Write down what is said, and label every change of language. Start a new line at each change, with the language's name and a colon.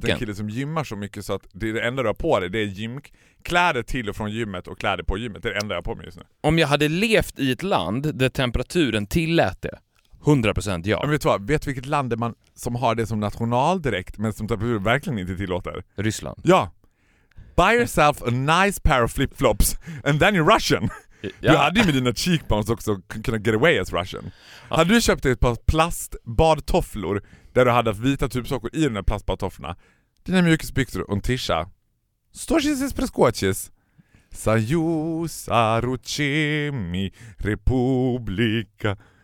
Swedish: Det är en kille som gymmar så mycket så att det enda du har på dig, det är gymkläder till och från gymmet och kläder på gymmet. Det är det enda jag har på mig just nu. Om jag hade levt i ett land där temperaturen tillät det, 100% ja. Men vet du vad? Vet vilket land är man som har det som national direkt men som temperaturen verkligen inte tillåter? Ryssland. Ja.
English: Buy yourself a nice pair of flip-flops and then you're Russian.
Swedish: Ja. Du hade ju med dina cheekbones också kunna
English: get away as Russian.
Swedish: Ja. Hade du köpt ett par plastbadtofflor där du hade vita tubsockor i den där plastbadtofflorna, dina mjukisbyxor och en tisha. Storchisis preskocis. Sayus aruchimi republika.